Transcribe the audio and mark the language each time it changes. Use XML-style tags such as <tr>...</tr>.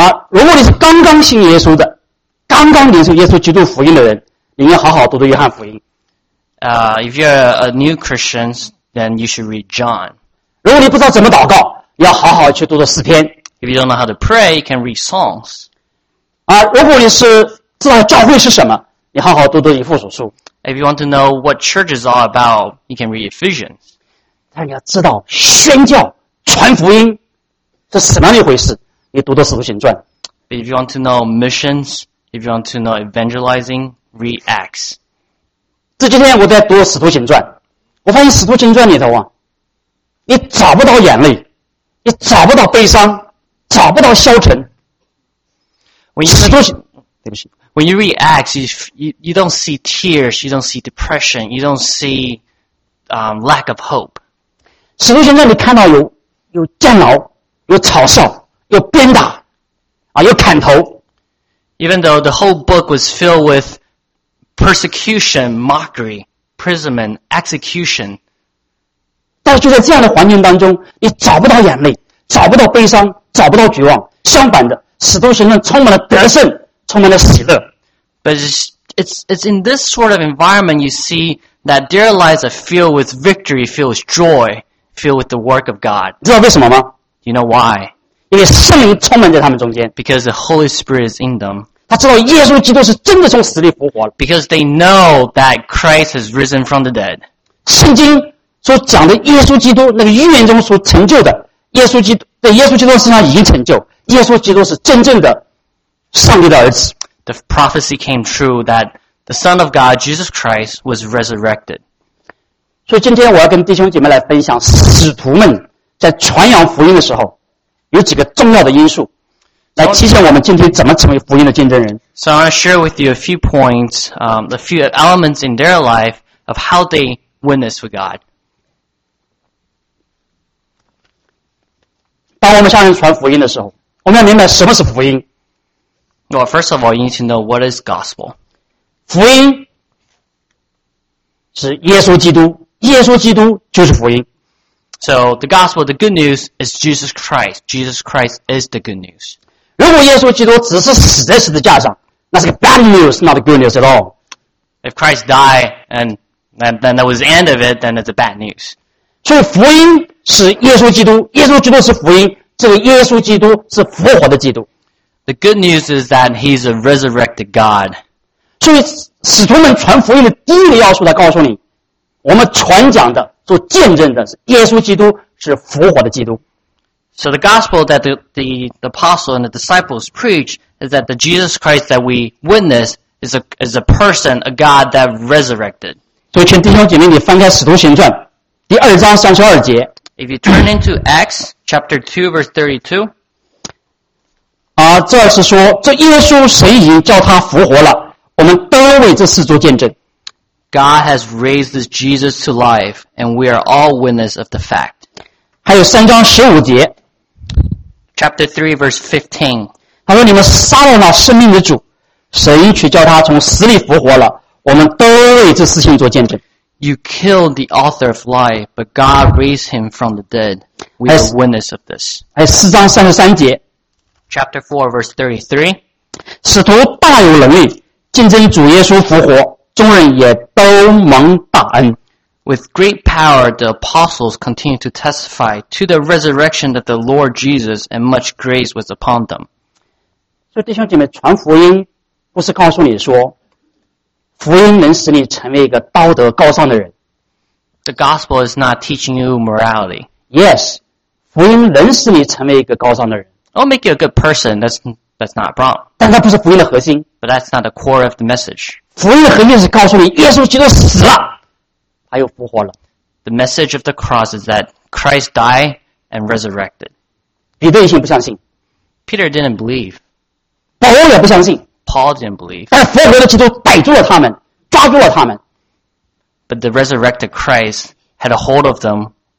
<zh>如果你是刚刚信耶稣的，刚刚领受耶稣基督福音的人，你应该好好读读约翰福音。</zh> <en>If you're a new Christian, then you should read John.</en> <zh>如果你不知道怎么祷告，你要好好去读读诗篇。</zh> <en>If you don't know how to pray, you can read songs.</en> <zh>如果你是知道教会是什么，你好好读读以弗所书。</zh> <en>If you want to know what church is all about, you can read Ephesians.</en> <zh>但你要知道宣教传福音是什么样的一回事。你读的《使徒行传》。</zh> <en>If you want to know missions, if you want to know evangelizing, read Acts.</en> <zh>这几天我在读《使徒行传》，我发现《使徒行传》里头啊，你找不到眼泪，你找不到悲伤，找不到消沉。</zh> <en>When you read Acts, you don't see tears, you don't see depression, you don't see lack of hope.</en> <zh>使徒行传你看到有监牢，有嘲笑。有鞭打，有砍头。</zh> <en>Even though the whole book was filled with persecution, mockery, imprisonment, execution,</en> <zh>但就在这样的环境当中，你找不到眼泪，找不到悲伤，找不到绝望。相反的，使徒行传充满了得胜，充满了喜乐。</zh> <en>But it's in this sort of environment you see that their lives are filled with victory, filled with joy, filled with the work of God.</en> <zh>知道为什么吗？</zh> <en>You know why?</en> <zh>因为圣灵充满在他们中间。</zh> <en>Because the Holy Spirit is in them.</en> <zh>他知道耶稣基督是真的从死里复活了。 Because they know that Christ has risen from the dead. 圣经所讲的耶稣基督那个预言中所成就的耶稣基督在耶稣基督身上已经成就。耶稣基督是真正的上帝的儿子。</zh> <en>The prophecy came true that the Son of God, Jesus Christ, was resurrected.</en> <zh>所以今天我要跟弟兄姐妹来分享使徒们在传扬福音的时候有几个重要的因素来提醒我们今天怎么成为福音的见证人。</zh> <en>So I want to share with you a few points, a few elements in their life of how they witness for God.</en> <zh>当我们向人传福音的时候，我们要明白什么是福音。</zh> <en>Well, first of all, you need to know what is gospel.</en> <zh>福音是耶稣基督，耶稣基督就是福音。</zh> <en>So the gospel, the good news is Jesus Christ. Jesus Christ is the good news.</en> <zh>如果耶稣基督只是死在十字架上，那是个</zh> <en>bad news, not a good news at all. If Christ died and then that was the end of it, then it's a bad news.</en> <zh>所以福音是耶稣基督，耶稣基督是福音，这个耶稣基督是复活的基督。</zh> <en>The good news is that he's a resurrected God.</en> <zh>所以使徒们传福音的第一个要素来告诉你，我们传讲的做见证的是耶稣基督是复活的基督。</zh> <en>So the gospel that the apostle and the disciples preach is that the Jesus Christ that we witness is a person, a God that resurrected.</en> <zh>所以请弟兄姐妹你翻开使徒行传第二章三十二节。</zh> <en>If you turn into Acts chapter 2 verse 32,</en> <zh>这是说这耶稣神已经叫他复活了，我们都为这事做见证。</zh> <en>God has raised this Jesus to life, and we are all witness of the fact.</en> <zh>还有三章十五节。</zh> <en>Chapter 3, verse 15.</en> <zh>他说你们杀了那生命的主，神却叫他从死里复活了，我们都为这事情做见证。</zh> <en>You killed the author of life, but God raised him from the dead. We are witness of this.</en> <zh>还有四章三十三节。</zh> <en>Chapter 4, verse 33.</en> <zh>使徒大有能力，见证主耶稣复活。众人也都蒙大恩。</zh> <en>With great power, the apostles continued to testify to the resurrection of the Lord Jesus, and much grace was upon them.</en> <zh>所以弟兄姐妹，传福音不是告诉你说，福音能使你成为一个道德高尚的人。</zh> <en>The gospel is not teaching you morality.</en> <zh>Yes, 福音能使你成为一个高尚的人。</zh> <en>It'll make you a good person, that's not wrong.</en> <zh>但它不是福音的核心。</zh> <en>But that's not the core of the message.</en> <zh>福音的核心是告诉你耶稣基督死了他又复活了。</zh> <en>The message of the cross is that Christ died and resurrected.</en> <zh>彼得以前不相信。</zh> <en>Peter didn't believe.</en> <zh>保罗也不相信。</zh> <en>Paul didn't believe.</en> <zh>但复活的基督逮住了他们，抓住了他们。</zh> <en>But the resurrected Christ had a hold of them.</en>